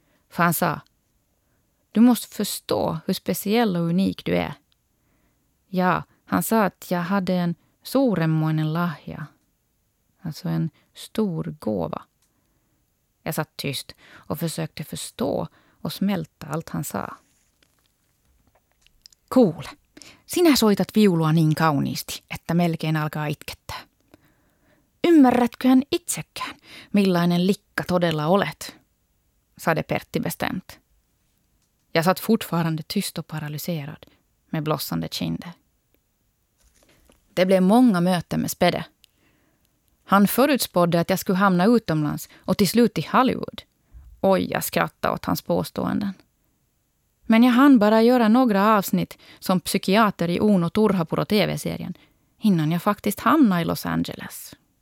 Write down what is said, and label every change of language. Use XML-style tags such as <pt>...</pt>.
<sv>För han sa, du måste förstå hur speciell och unik du är. Ja, han sa att jag hade en</sv> <fi>suuremmoinen lahja,</fi> <sv>alltså en stor gåva. Jag satt tyst och försökte förstå och smälta allt han sa.</sv> <fi>Cool, sinä soitat viulua niin kauniisti, että melkein alkaa itkettää. Ymmärrätköhän itsekään, millainen likka todella olet,</fi> <sv>sade Pertti bestämt. Jag satt fortfarande tyst och paralyserad med blossande kinder. Det blev många möten med Spede. Han förutspådde att jag skulle hamna utomlands och till slut i Hollywood. Oj, jag skrattade åt hans påståenden. Men jag hann bara göra några avsnitt som psykiater i Uno Turhapuro tv-serien innan jag faktiskt hamnade i Los Angeles.</sv>